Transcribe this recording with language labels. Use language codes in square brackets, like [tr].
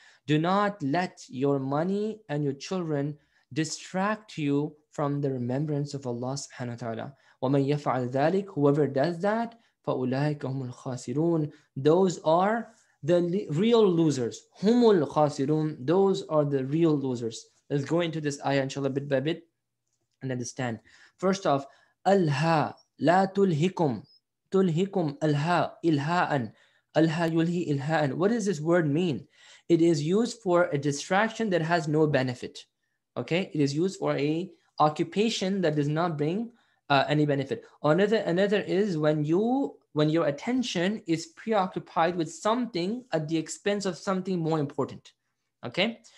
[en] Do not let your money and your children distract you from the remembrance of Allah subhanahu wa ta'ala. [ar] وَمَنْ يَفْعَلْ ذَلِكَ [en] Whoever does that, [ar] فَأُولَٰئِكَ هُمُ الْخَاسِرُونَ [en] Those are the real losers. [ar] هُمُ الْخَاسِرُونَ [en] Those are the real losers. Let's go into this ayah, inshallah, bit by bit, and understand. First off, [ar] أَلْهَا لَا تُلْهِكُمْ تُلْهِكُمْ أَلْهَا إِلْهَاءً أَلْهَا يُلْهِي إِلْهَاءً [en] What does this word mean? It is used for a distraction that has no benefit. Okay? It is used for a occupation that does not bring any benefit. Another is when your attention is preoccupied with something at the expense of something more important. Okay?